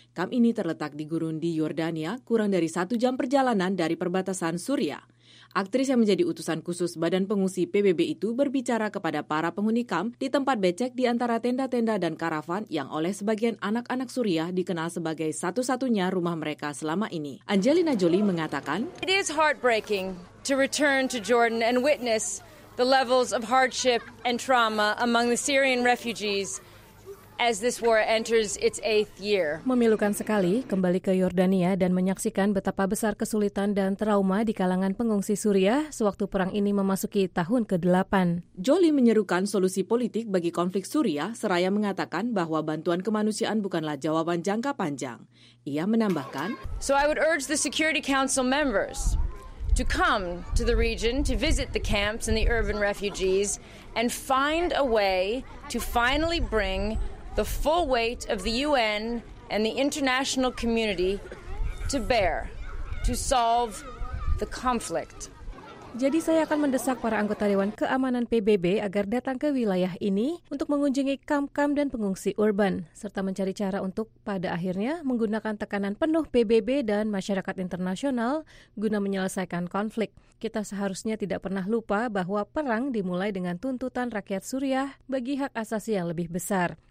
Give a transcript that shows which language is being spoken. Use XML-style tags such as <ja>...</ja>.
<id>Kamp ini terletak di gurun di Yordania, kurang dari 1 jam perjalanan dari perbatasan Suriah. Aktris yang menjadi utusan khusus Badan Pengungsi PBB itu berbicara kepada para penghuni kamp di tempat becek di antara tenda-tenda dan karavan yang oleh sebagian anak-anak Suriah dikenal sebagai satu-satunya rumah mereka selama ini. Angelina Jolie mengatakan,</id> <en>"It is heartbreaking to return to Jordan and witness the levels of hardship and trauma among the Syrian refugees as this war enters its 8th year.</en> <id>Memilukan sekali kembali ke Yordania dan menyaksikan betapa besar kesulitan dan trauma di kalangan pengungsi Suriah sewaktu perang ini memasuki tahun ke-8. Jolie menyerukan solusi politik bagi konflik Suriah seraya mengatakan bahwa bantuan kemanusiaan bukanlah jawaban jangka panjang. Ia menambahkan,</id> <en>"So I would urge the Security Council members to come to the region to visit the camps and the urban refugees and find a way to finally bring the full weight of the UN and the international community to bear to solve the conflict."</en> <id>Jadi saya akan mendesak para anggota Dewan Keamanan PBB agar datang ke wilayah ini untuk mengunjungi kamp-kamp dan pengungsi urban, serta mencari cara untuk pada akhirnya menggunakan tekanan penuh PBB dan masyarakat internasional guna menyelesaikan konflik. Kita seharusnya tidak pernah lupa bahwa perang dimulai dengan tuntutan rakyat Suriah bagi hak asasi yang lebih besar.</id>